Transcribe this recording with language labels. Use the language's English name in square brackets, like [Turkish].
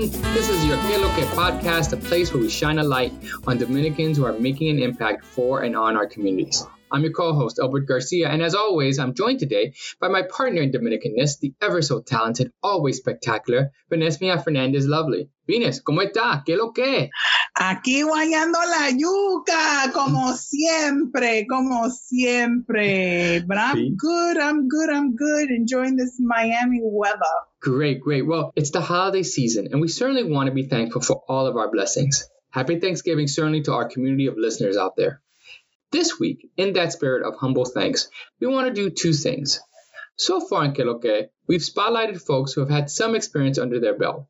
[English] This is your Que Lo Que podcast, a place where we shine a light on Dominicans who are making an impact for and on our communities. I'm your co-host, Albert Garcia, and as always, I'm joined today by my partner in Dominicanness, the ever so talented, always spectacular, Venezmia Fernandez Lovely. [Spanish] Venus, ¿cómo está? ¿Qué lo que? Aquí guayando la yuca, como siempre, como siempre. [English] But I'm good, enjoying this Miami weather. Great. Well, it's the holiday season, and we certainly want to be thankful for all of our blessings. Happy Thanksgiving, certainly, to our community of listeners out there. This week, in that spirit of humble thanks, we want to do two things. So far in Que Lo Que, we've spotlighted folks who have had some experience under their belt.